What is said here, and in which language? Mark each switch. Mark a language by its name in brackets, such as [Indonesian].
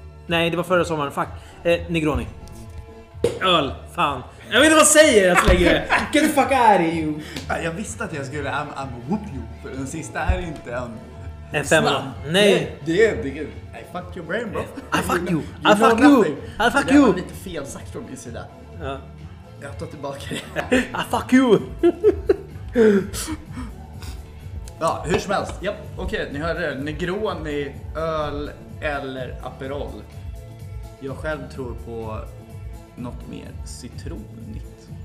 [Swedish] Nej, det var förra sommaren, fuck. Negroni. Öl, fan. Jag vet inte vad jag säger, jag slänger det. [English] Get the fuck out of you. [Swedish] Jag visste att jag skulle, [English] I'm whoop you. [Swedish] För den sista är inte en... En femma. Nej. Det är, [English] I fuck your brain, bro. I fuck you, I fuck you, I fuck you. [Swedish] Det var lite fel sagt från min sida. Ja. Jag tar tillbaka det. [English] I fuck you. [Swedish] Ja, hur som helst. Yep. Okej, ni hörde det. Negroni, öl eller Aperol. Jag själv tror på något mer citronigt.